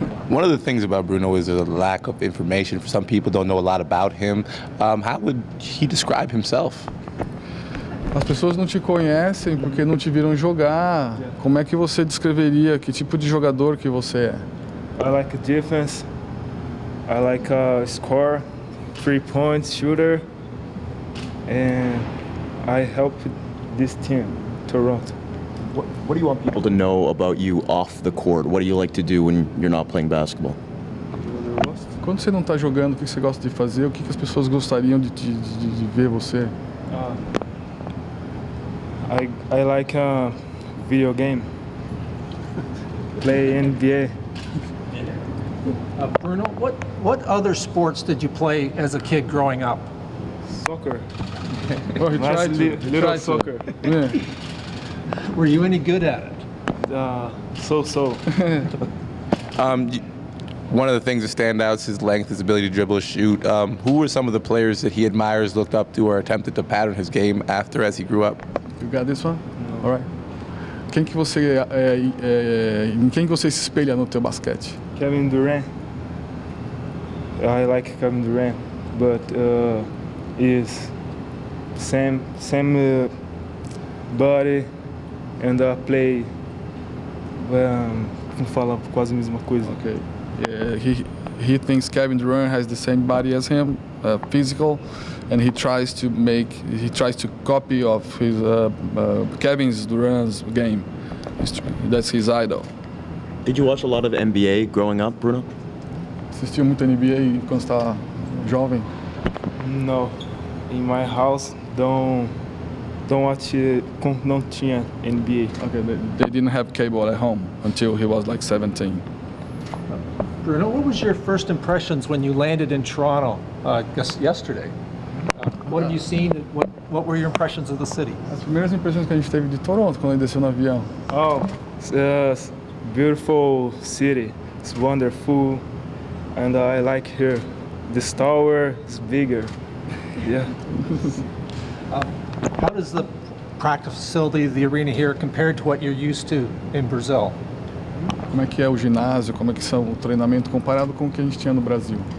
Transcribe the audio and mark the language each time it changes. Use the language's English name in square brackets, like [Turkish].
[English] One of the things about Bruno is there's a lack of information. Some people don't know a lot about him. How would he describe himself? [Portuguese] As pessoas não te conhecem porque não te viram jogar. Como é que você descreveria que tipo de jogador que você é? [English] I like defense. I like score, 3-point shooter, and I help this team, Toronto. What do you want people to know about you off the court? What do you like to do when you're not playing basketball? [Portuguese] Quando você não está jogando, o que você gosta de fazer? O que as pessoas gostariam de ver você? [English] I like video game. Play NBA. Yeah. Bruno, what other sports did you play as a kid growing up? Soccer. Well, he tried little soccer. Yeah. Were you any good at it? So-so. One of the things that stand out is his length, his ability to dribble, shoot. Who were some of the players that he admires, looked up to, or attempted to pattern his game after as he grew up? You got this one? No. All right. [Portuguese] Quem que você, quem que você se espelha no teu basquete? [English] Kevin Durant. I like Kevin Durant, but he's same body. And play, [Portuguese] como fala, quase a mesma coisa. [English] Okay. Yeah, he thinks Kevin Durant has the same body as him, physical, and he tries to copy of his Kevin's Durant's game. That's his idol. Did you watch a lot of NBA growing up, Bruno? [Portuguese] Assistiu muito NBA quando estava jovem. [English] No, in my house don't watch [Portuguese] não tinha [English] NBA. Okay, they didn't have cable at home until he was like 17. Bruno, what was your first impressions when you landed in Toronto yesterday? What have you seen? What were your impressions of the city? [Portuguese] As primeiras impressões que a gente teve de Toronto quando ele desceu no avião. [English] Oh, it's a beautiful city. It's wonderful, and I like here. The tower is bigger. Yeah. How does the practice facility, the arena here, compare to what you're used to in Brazil? [Portuguese] Como é que é o ginásio? Como é que são o treinamento comparado com o que a gente tinha no Brasil?